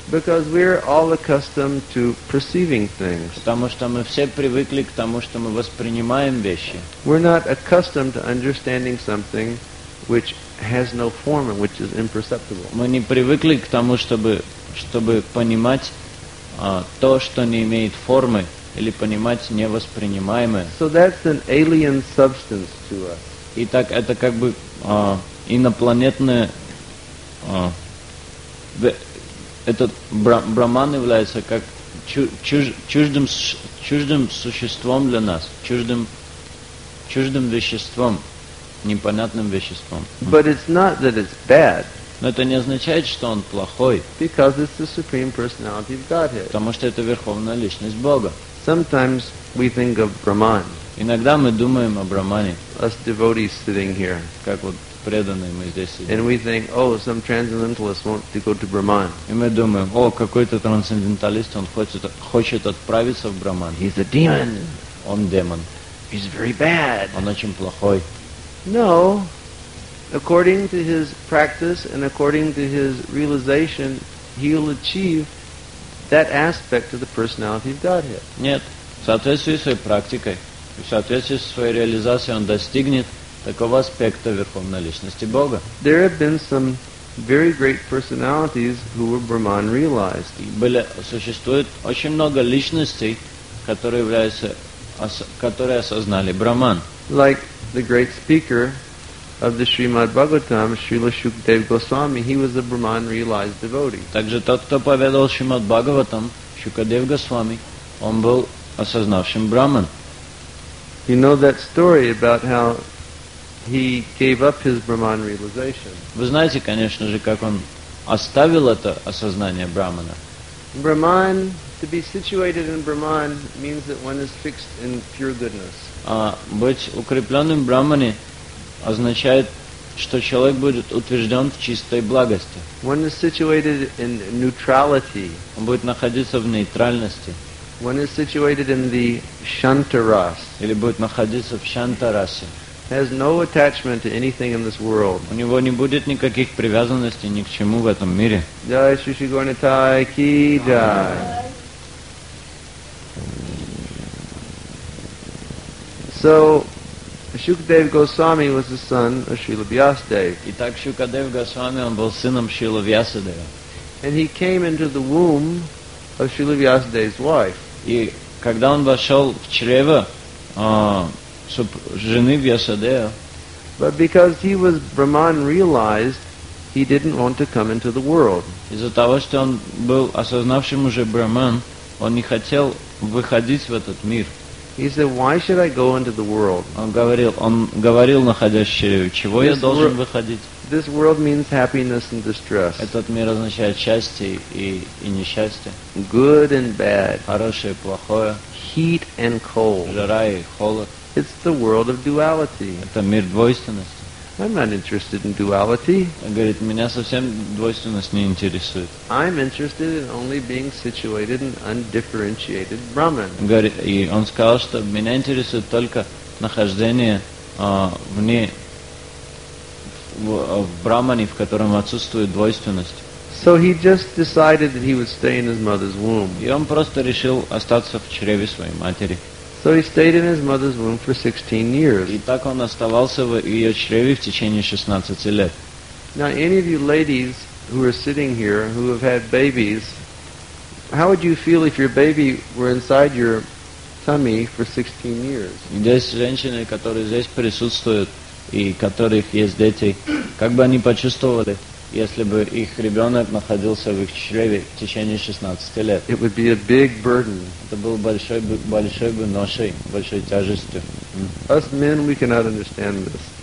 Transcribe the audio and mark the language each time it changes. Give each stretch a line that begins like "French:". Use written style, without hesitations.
English: Because we are all accustomed to perceiving things.
Russian: Потому что мы все привыкли к тому, что мы воспринимаем вещи.
English: We're not accustomed to understanding something which has no form and which is imperceptible.
Russian: Мы не привыкли к тому, чтобы понимать то, что не имеет формы, или понимать невоспринимаемое.
English: So that's an alien substance to us.
Russian: Итак, это как бы инопланетное. Этот Брахман является как чуждым существом для нас, чуждым веществом, непонятным веществом.
English: But it's not that it's bad.
Russian: Но это не означает, что он плохой.
English: Because it's the Supreme Personality of Godhead.
Russian: Потому что это Верховная Личность Бога.
English: Sometimes we think of Brahman.
Russian: Иногда мы думаем о Брахмане.
English: Us devotees sitting here.
Russian: Как вот преданные мы здесь сидим.
English: And we think, oh, some transcendentalist wants to go to Brahman.
Russian: И мы думаем, о, какой-то трансценденталист, он хочет отправиться в Брахман.
English: He's a demon.
Russian: Он демон.
English: He's very bad.
Russian: Он очень плохой.
English: No. According to his practice and according to his realization, he'll achieve that aspect of the personality of Godhead.
Russian: Нет. В соответствии с своей практикой и в соответствии с своей реализацией он достигнет такого аспекта Верховной Личности Бога.
English: There have been some very great personalities who were Brahman realized.
Russian: Существует очень много личностей, которые осознали Брахман.
English: Like the great speaker of the Srimad Bhagavatam, Srila Shukadev Goswami, he was a Brahman realized devotee.
Russian: Также тот, кто поведал Шримад Бхагаватам, Шукадев Госвами, он был осознавшим Брахман.
English: You know that story about how he gave up his Brahman realization.
Russian: Вы знаете, конечно же, как он оставил это осознание Брахмана.
English: Brahman, to be situated in Brahman means that one is fixed in pure goodness.
Russian: Быть укрепленным в Брахмане означает, что человек будет утвержден в чистой благости.
English: One is situated in neutrality.
Russian: Он будет находиться в нейтральности.
English: One is situated in the Shantaras.
Russian: Или будет находиться в Шантарасе.
English: Has no attachment to anything in this world.
Russian: У него не будет никаких привязанностей ни к чему в этом мире.
Hindi: Jai Shri Shri Gaurinathai Ki Jai.
English: So Shukadev Goswami was the son of Srila Vyasadeva.
Russian: Итак, Шукадев Госвами, он был сыном Шрилы Вьясадева.
English: And he came into the womb of Srila Vyasadeva's wife.
Russian: И когда он вошел в чрево жены Вьясадева,
English: But because he was Brahman realized, he didn't want to come into the world.
Russian: Из-за того, что он был осознавшим уже Брахман, он не хотел выходить в этот мир.
English: He said, "Why should I go into the world?"
Russian: Он говорил, находящий, чего я должен выходить?
English: This world means happiness and distress.
Russian: Этот мир означает счастье и несчастье.
English: Good and bad.
Russian: Хорошее и плохое.
English: Heat and cold.
Russian: Жара и холод.
English: It's the world of duality.
Russian: Это мир двойственности.
English: I'm not interested in duality.
Russian: Он говорит, меня совсем двойственность не интересует.
English: I'm interested in only being situated in undifferentiated Brahman.
Russian: И он сказал, что меня интересует только нахождение вне в Брахмане, в котором отсутствует двойственность.
English: So he just decided that he would stay in his mother's womb.
Russian: И он просто решил остаться в чреве своей матери.
English: So he stayed in his mother's womb for 16 years.
Russian: И так он оставался в ее чреве в течение 16 лет.
English: Now any of you ladies who are sitting here who have had babies, how would you feel if your baby were inside your tummy for 16 years?
Russian: Здесь женщины, которые здесь присутствуют и которых есть дети, как бы они почувствовали, если бы их ребенок находился в их чреве в течение 16 лет?
English: It would be a big burden.
Russian: Это был большой бы ношей, большой тяжестью.
English: Us men, we cannot understand this.